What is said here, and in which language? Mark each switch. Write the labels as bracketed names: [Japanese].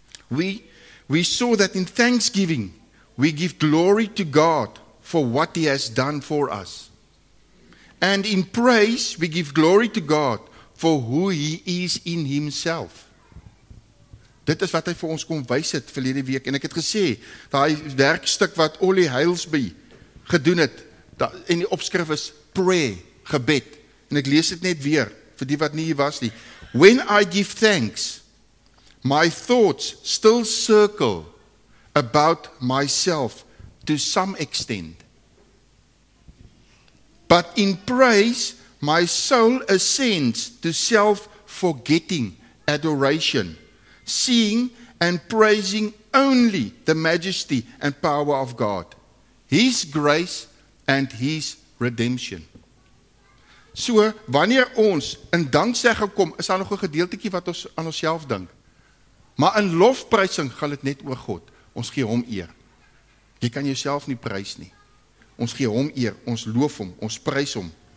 [English] We saw that in thanksgiving we give glory to God for what he has done for us. And in praise we give glory to God for who he is in himself. [Afrikaans] Dit is wat hy vir ons kom wys het verlede week en ek het gesê daai werkstuk wat Ollie Hailsby gedoen het en die opskrif is pray, gebed. En ek lees dit net weer, vir die wat nie hier was nie. [English] When I give thanks, my thoughts still circle about myself to some extent. But in praise, my soul ascends to self-forgetting adoration, seeing and praising only the majesty and power of God, His grace and His redemption. [Afrikaans] So, wanneer ons in danksegging kom, is daar nog 'n gedeeltetjie wat ons aan onsself dink. Maar in lofprysing gaan dit net oor God. Ons gee hom eer. Jy kan jouself nie prys nie. Ons gee hom eer, ons loof hom, ons prys hom.